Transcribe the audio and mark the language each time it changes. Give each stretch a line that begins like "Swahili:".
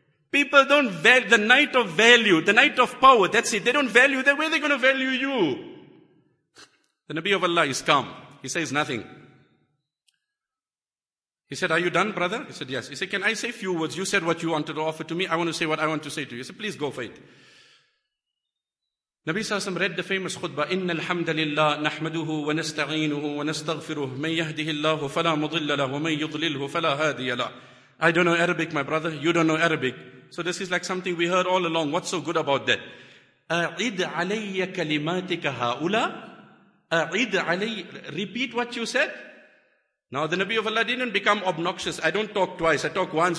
English: People don't value the night of value, the night of power. That's it. They don't value that. Where are they going to value you? The Nabi of Allah is calm. He says nothing. He said, are you done, brother? He said, yes. He said, can I say a few words? You said what you wanted to offer to me. I want to say what I want to say to you. He said, please go for it. Nabi Sallallahu Alaihi Wasallam read the famous khutbah,
Arabic: إِنَّ الْحَمْدَ لِلَّهِ نَحْمَدُهُ وَنَسْتَعِينُهُ وَنَسْتَغْفِرُهُ مَنْ يَهْدِهِ اللَّهُ فَلَا مُضِلَّ لَهُ وَمَنْ يُضْلِلْهُ فَلَا هَادِيَ لَهُ.
English: I don't know Arabic, my brother. You don't know Arabic. So this is like something we heard all along. What's so good about that?
Arabic: أَعِدْ عَلَيَّ كَلِمَاتِكَ هَؤُلَى. أَعِدْ عَلَيَّ.
English: Repeat what you said. Now the Nabi of Allah didn't become obnoxious. I don't talk twice. I talk once.